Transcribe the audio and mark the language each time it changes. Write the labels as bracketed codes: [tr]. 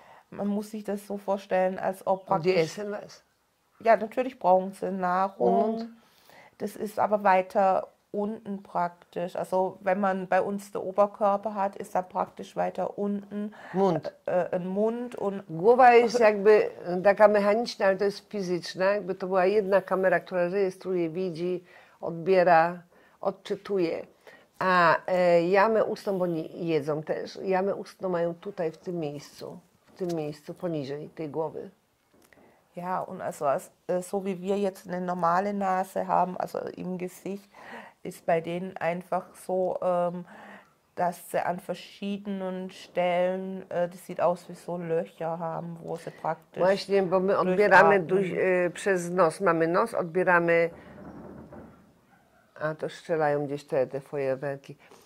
[de] Man muss sich das so vorstellen, als ob praktisch... Und die essen was? Ja, natürlich brauchen sie Nahrung. Und? Das ist aber weiter unten praktisch. Also wenn man bei uns den Oberkörper hat, ist da praktisch weiter unten... Mund. Ein Mund und... [pl] Głowa ist jakby taka mechaniczna, ale to jest fizyczna. Jakby to była jedna kamera, która rejestruje, widzi, odbiera, odczytuje. A jamy ustną, bo nie jedzą też, jamy ustną mają tutaj, w tym miejscu. W tym miejscu poniżej tej głowy. [de] Ja, und also so wie wir jetzt eine normale Nase haben, also im Gesicht, ist bei denen einfach so, dass sie an verschiedenen Stellen, das sieht aus wie so Löcher haben, wo sie praktisch. [pl] Właśnie, bo my odbieramy przez nos, mamy nos, odbieramy. A to strzelają gdzieś te fajerwerki.